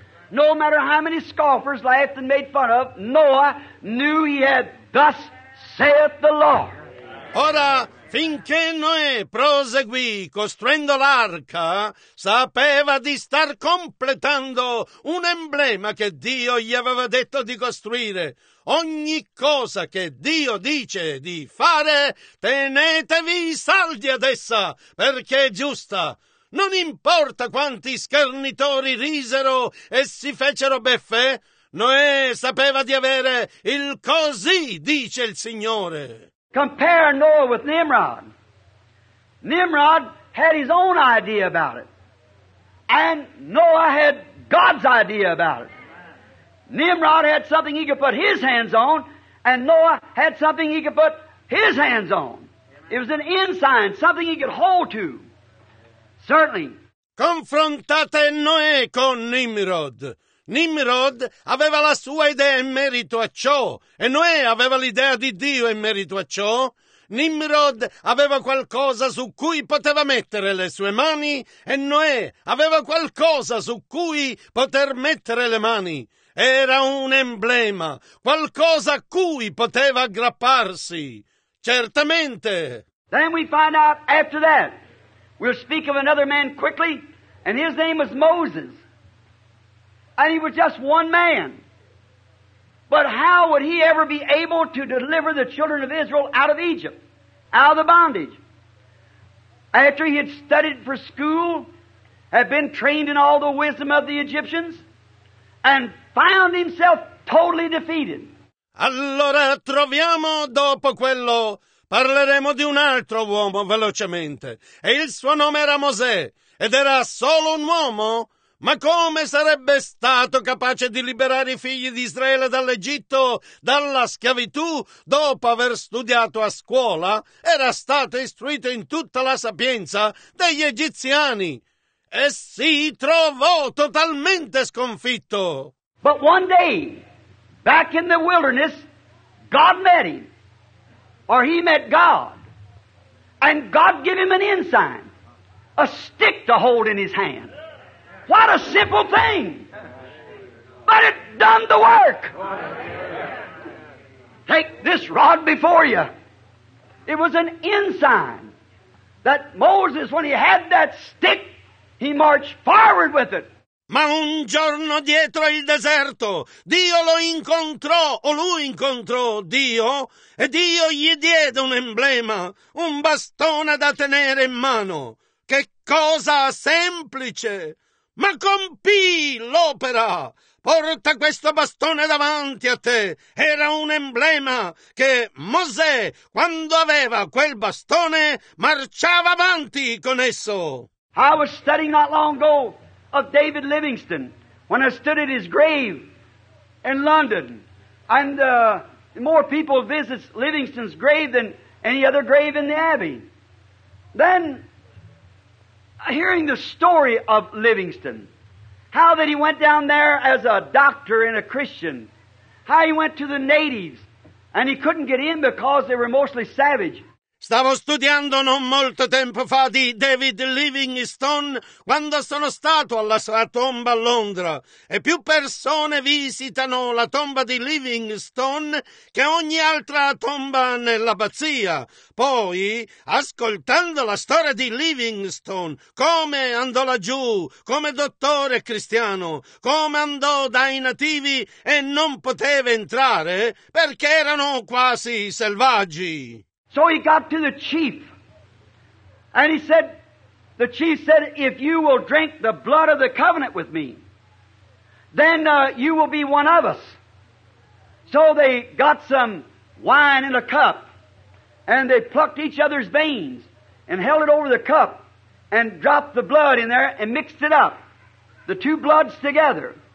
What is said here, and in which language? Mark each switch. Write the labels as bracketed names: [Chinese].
[English] No matter how many scoffers laughed and made fun of, Noah knew he had thus saith the Lord. [Italian] Ora, finché Noè proseguì costruendo l'arca, sapeva di star completando un emblema che Dio gli aveva detto di costruire. Ogni cosa che Dio dice di fare, tenetevi saldi ad essa, perché è giusta. Non importa quanti schernitori risero e si fecero beffe, Noè sapeva di avere il così dice il Signore. [English] Compare Noah with Nimrod. Nimrod had his own idea about it. And Noah had God's idea about it. Nimrod had something he could put his hands on, and Noah had something he could put his hands on. It was an ensign, something he could hold to. Certainly. [Italian] Confrontate Noè con Nimrod. Nimrod aveva la sua idea in merito a ciò e Noè aveva l'idea di Dio in merito a ciò. Nimrod aveva qualcosa su cui poteva mettere le sue mani e Noè aveva qualcosa su cui poter mettere le mani. Era un emblema, qualcosa a cui poteva aggrapparsi. Certamente. [English] Then we find out after that, we'll speak of another man quickly, and his name was Moses. And he was just one man. But how would he ever be able to deliver the children of Israel out of Egypt, out of the bondage? After he had studied for school, had been trained in all the wisdom of the Egyptians, and found himself totally defeated. [Italian] Allora troviamo dopo quello, parleremo di un altro uomo velocemente. E il suo nome era Mosè, ed era solo un uomo. Ma come sarebbe stato capace di liberare i figli di Israele dall'Egitto, dalla schiavitù, dopo aver studiato a scuola? Era stato istruito in tutta la sapienza degli egiziani e si trovò totalmente sconfitto. [English] But one day, back in the wilderness, God met him, or he met God, and God gave him an ensign, a stick to hold in his hand. What a simple thing! But it done the work! Take this rod before you. It was an ensign that Moses, when he had that stick, he marched forward with it. [Italian] Ma un giorno dietro il deserto, Dio lo incontrò, o lui incontrò Dio, e Dio gli diede un emblema, un bastone da tenere in mano. Che cosa semplice! Ma compì l'opera! Porta questo bastone davanti a te! Era un emblema che Mosè, quando aveva quel bastone, marciava avanti con esso. [English] I was studying not long ago of David Livingstone when I stood at his grave in London. And more people visit Livingstone's grave than any other grave in the Abbey. Then, hearing the story of Livingston, how that he went down there as a doctor and a Christian, how he went to the natives, and he couldn't get in because they were mostly savage. [Italian] Stavo studiando non molto tempo fa di David Livingstone quando sono stato alla sua tomba a Londra e più persone visitano la tomba di Livingstone che ogni altra tomba nell'abbazia. Poi, ascoltando la storia di Livingstone, come andò laggiù, come dottore cristiano, come andò dai nativi e non poteva entrare perché erano quasi selvaggi. [English] So he got to the chief, and he said, the chief said, if you will drink the blood of the covenant with me, then you will be one of us. So they got some wine in a cup, and they plucked each other's veins and held it over the cup and dropped the blood in there and mixed it up, the two bloods together.